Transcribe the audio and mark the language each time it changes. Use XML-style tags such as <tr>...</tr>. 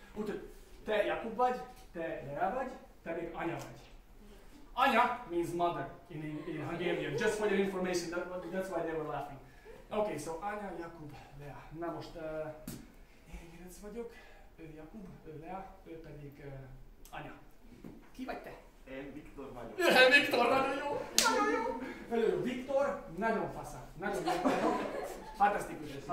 <hu>Úgyhogy, te Jakub vagy, te Lea vagy, te még Anya vagy.</hu> <en>Anya means mother in Hungarian. Just for your information, that's why they were laughing. Okay, so Anya, Jakub, Lea.</en> <hu>Na most, én Mirec vagyok, ő Jakub, ő Lea, ő pedig Anya. Ki vagy te? Én Viktor vagyok. Én Viktor, nagyon jó! Viktor, nagyon fasza, nagyon fantasztikus.</hu>